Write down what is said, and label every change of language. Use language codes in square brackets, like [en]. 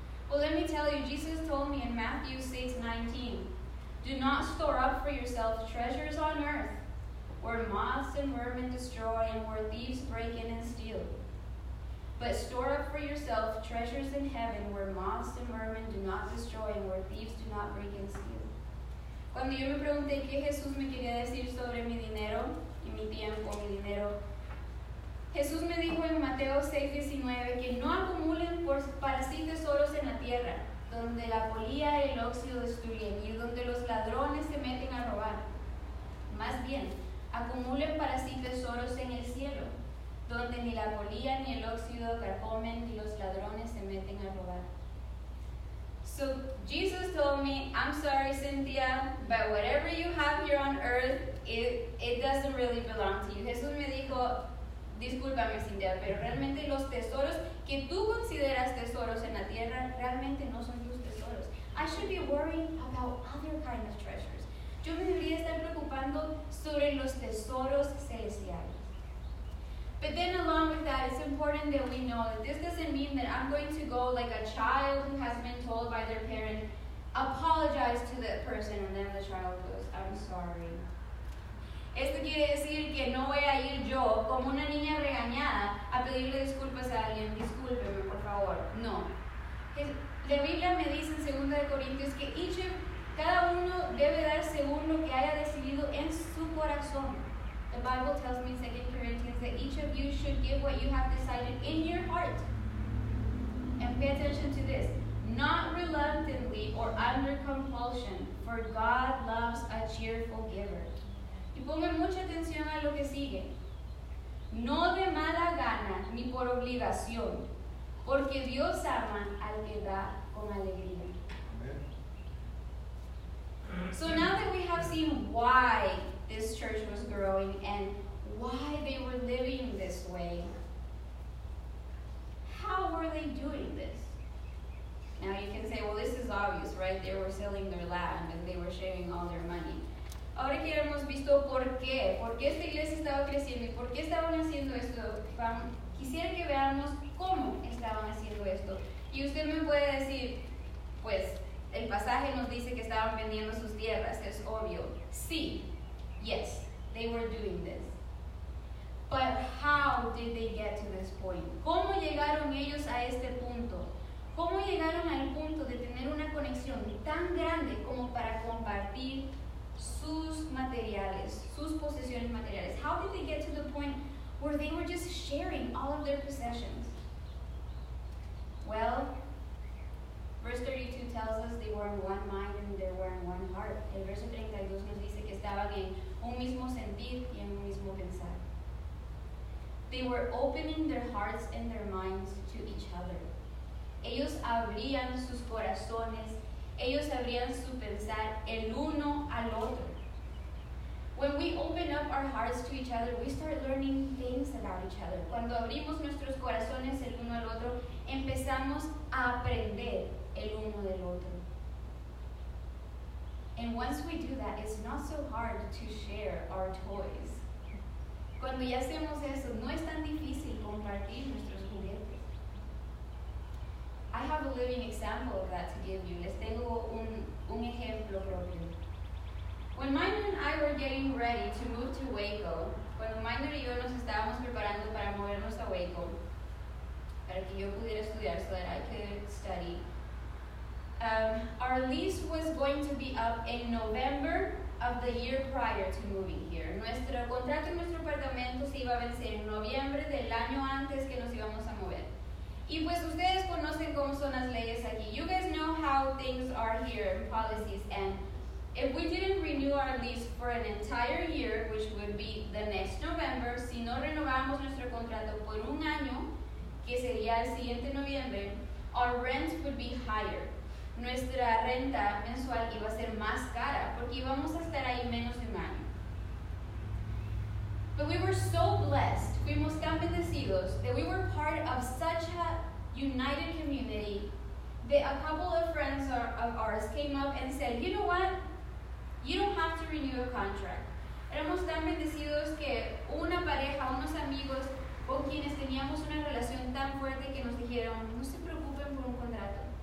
[en] Well, let me tell you, Jesus told me in Matthew 6:19, do not store up for yourself treasures on earth, where moths and vermin destroy and where thieves break in and steal. But store up for yourself treasures in heaven, where moths and vermin do not destroy and where thieves do not break in and steal. [es] Cuando yo me pregunté qué Jesús me quería decir sobre mi dinero y mi tiempo, mi dinero, Jesús me dijo en Mateo 6:19 que no acumulen para sí tesoros en la tierra, donde la polilla y el óxido destruyen y donde los ladrones se meten a robar. Más bien, acumulen para sí tesoros en el cielo, donde ni la polilla ni el óxido carcomen ni los ladrones se meten a robar. [en] So Jesus told me, I'm sorry, Cynthia, but whatever you have here on earth, it doesn't really belong to you. [es] Jesús me dijo, discúlpame, Cynthia, pero realmente los tesoros que tú consideras tesoros en la tierra realmente no son tus tesoros. [en] I should be worried about other kind of treasures. [es] Yo me debería estar preocupando sobre los tesoros celestiales. [en] But then along with that, it's important that we know that this doesn't mean that I'm going to go like a child who has been told by their parent, apologize to that person, and then the child goes, I'm sorry. [es] Esto quiere decir que no voy a ir yo, como una niña regañada, a pedirle disculpas a alguien, discúlpeme, por favor. No. La Biblia me dice en 2 Corintios que cada uno debe dar según lo que haya decidido en su corazón. [en] The Bible tells me in 2 Corinthians that each of you should give what you have decided in your heart. And pay attention to this. Not reluctantly or under compulsion, for God loves a cheerful giver. [es] Y pongan mucha atención a lo que sigue. No de mala gana ni por obligación, porque Dios ama al que da con alegría. [en] Amen. So now that we have seen why this church was growing and why they were living this way, how were they doing this? Now you can say, well, this is obvious, right? They were selling their land and they were sharing all their money. [es] Ahora que hemos visto por qué esta iglesia estaba creciendo y por qué estaban haciendo esto, quisiera que veamos cómo estaban haciendo esto. Y usted me puede decir, pues, el pasaje nos dice que estaban vendiendo sus tierras, es obvio. [en] Sí, yes, they were doing this. But how did they get to this point? [es] ¿Cómo llegaron ellos a este punto? ¿Cómo llegaron al punto de tener una conexión tan grande como para compartir sus materiales, sus posesiones materiales? [en] How did they get to the point where they were just sharing all of their possessions? Well, verse 32 tells us they were in one mind and they were in one heart. [es] El verso 32 nos dice que estaban en un mismo sentir y en un mismo pensar. [en] They were opening their hearts and their minds to each other. [es] Ellos abrían sus corazones. Ellos abrían su pensar el uno al otro. [en] When we open up our hearts to each other, we start learning things about each other. [es] Cuando abrimos nuestros corazones el uno al otro, empezamos a aprender el uno del otro. [en] And once we do that, it's not so hard to share our toys. [es] Cuando ya hacemos eso, no es tan difícil compartir nuestros juguetes. [en] I have a living example of that to give you. [es] Les tengo un ejemplo propio. [en] When mine and I were getting ready to move to Waco, [es] cuando Minor y yo nos estábamos preparando para movernos a Waco, para que yo pudiera estudiar, [en] so that I could study, our lease was going to be up in November of the year prior to moving here. [es] Nuestro contrato y nuestro apartamento se iba a vencer en noviembre del año antes que nos íbamos a mover. Y pues ustedes conocen cómo son las leyes aquí. [en] You guys know how things are here in policies. And if we didn't renew our lease for an entire year, which would be the next November, [es] si no renovamos nuestro contrato por un año, que sería el siguiente noviembre, [en] our rent would be higher. [es] Nuestra renta mensual iba a ser más cara porque íbamos a estar ahí menos de un año. [en] But we were so blessed, [es] fuimos tan bendecidos, [en] that we were part of such a united community that a couple of friends of ours came up and said, you know what? You don't have to renew a contract. [es] Éramos tan bendecidos que una pareja, unos amigos con quienes teníamos una relación tan fuerte que nos dijeron, no se preocupen por un contrato.